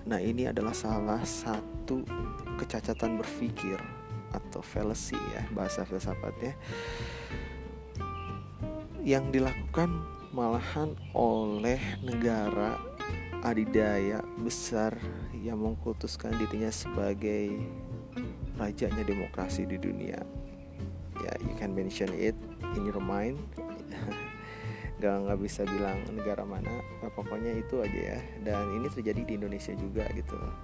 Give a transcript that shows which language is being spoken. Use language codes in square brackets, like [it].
[id] Nah ini adalah salah satu kecacatan berpikir atau fallacy ya bahasa filsafatnya, yang dilakukan malahan oleh negara adidaya besar yang mengkultuskan dirinya sebagai rajanya demokrasi di dunia. [en] Ya yeah, you can mention it in your mind. [id] Gak bisa bilang negara mana, nah, pokoknya itu aja ya. Dan ini terjadi di Indonesia juga gitu.